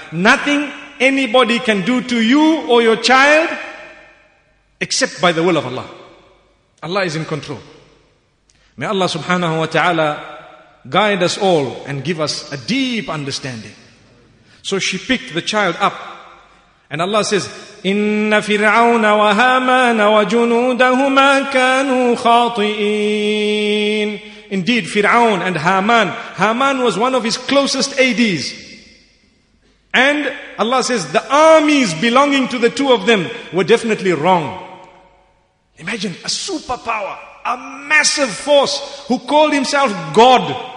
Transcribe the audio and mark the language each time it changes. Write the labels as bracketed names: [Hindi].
[English] Nothing anybody can do to you or your child except by the will of Allah. Allah is in control. May Allah subhanahu wa ta'ala guide us all and give us a deep understanding. So she picked the child up. And Allah says, [Arabic] إِنَّ فِرْعَوْنَ وَهَامَانَ وَجُنُودَهُمَا كَانُوا خَاطِئِينَ. [English] Indeed, Fir'aun and Haman. Haman was one of his closest ADs. And Allah says, the armies belonging to the two of them were definitely wrong. Imagine a superpower, a massive force who called himself God.